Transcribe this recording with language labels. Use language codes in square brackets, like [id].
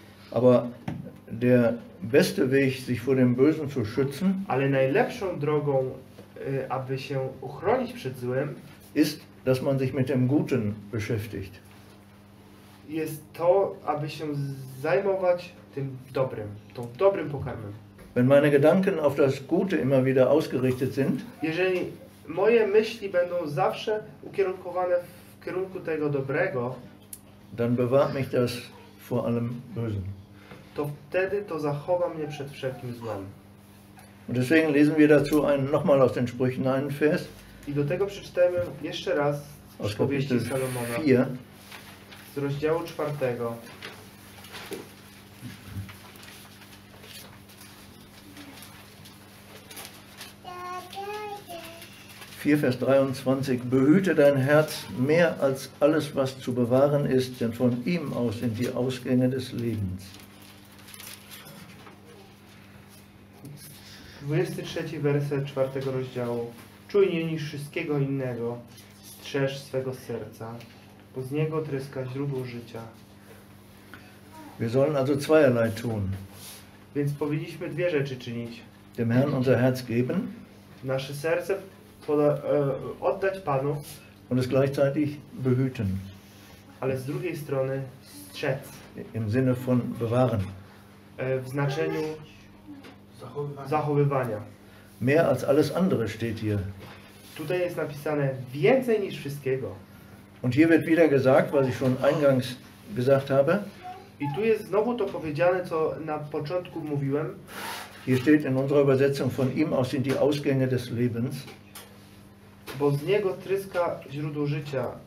[de] Aber der beste Weg, sich vor dem Bösen zu schützen, [pl] ale najlepszą drogą, aby się uchronić przed złem, [de] ist, dass man sich mit dem Guten beschäftigt. [pl] Jest to, aby się zajmować tym dobrym, tą dobrym pokarmem. [de] Wenn meine Gedanken auf das Gute immer wieder ausgerichtet sind, [pl] jeżeli moje myśli będą zawsze ukierunkowane w kierunku tego dobrego, [de] dann bewahrt mich das vor allem Bösen. [pl] To wtedy to zachowa mnie przed wszelkim złem. [de] Und deswegen lesen wir dazu nochmal aus den Sprüchen einen Vers. [pl] I do tego przeczytamy jeszcze raz z powieści Salomona. Z rozdziału 4. [de] Vers 23. Behüte dein Herz mehr als alles, was zu bewahren ist, denn von ihm aus sind die Ausgänge des Lebens. [pl] 23 werset 4 rozdziału. Czujnie niż wszystkiego innego strzeż swego serca, bo z niego tryska źródło życia. [de] Wir sollen also zweierlei tun. [pl] Więc powinniśmy dwie rzeczy czynić. [de] Dem Herrn unser Herz geben. [pl] Nasze serce oddać Panu. [de] Und es gleichzeitig behüten. [pl] Ale z drugiej strony strzec. [de] Im Sinne von bewahren. [pl] W znaczeniu zachowywania. [de] Mehr als alles andere steht hier. [pl] Tutaj jest napisane więcej niż wszystkiego. [de] Und hier wird wieder gesagt, was ich schon eingangs gesagt habe. [pl] I tu jest znowu to powiedziane, co na początku mówiłem. [de] Hier steht in unserer Übersetzung, von ihm aus sind die Ausgänge des Lebens. [pl] Bo z niego tryska źródło życia.